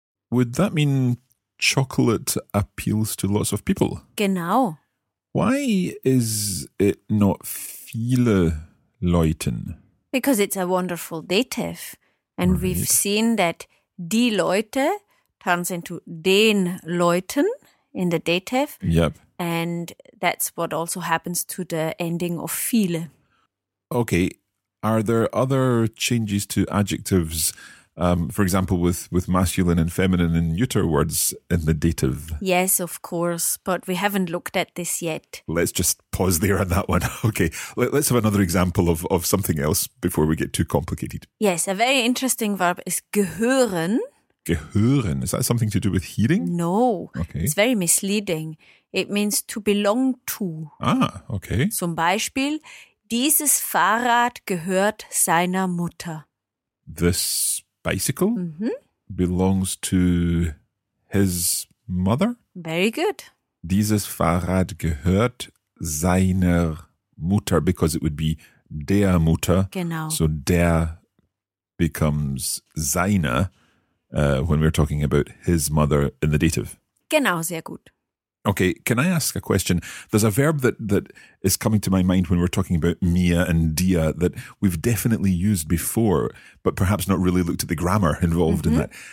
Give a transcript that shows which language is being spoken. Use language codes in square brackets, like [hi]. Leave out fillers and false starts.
[en] Would that mean chocolate appeals to lots of people? [de] Genau. [en] Why is it not [de] viele Leuten? [en] Because it's a wonderful dative. And right. We've seen that die Leute turns into den Leuten in the dative. Yep. And that's what also happens to the ending of viele. Okay. Are there other changes to adjectives, for example, with masculine and feminine and neuter words in the dative? Yes, of course, but we haven't looked at this yet. Let's just pause there on that one. Okay, let's have another example of something else before we get too complicated. Yes, a very interesting verb is gehören. Gehören, is that something to do with hearing? No, okay. It's very misleading. It means to belong to. Ah, okay. [de] Zum Beispiel, dieses Fahrrad gehört seiner Mutter. [en] This bicycle belongs to his mother? Very good. [de] Dieses Fahrrad gehört seiner Mutter, [en] because it would be [de] der Mutter. Genau. [en] So der becomes seine when we're talking about his mother in the dative. [de] Genau, sehr gut. [en] Okay, can I ask a question? There's a verb that is coming to my mind when we're talking about mia and dia that we've definitely used before, but perhaps not really looked at the grammar involved in that.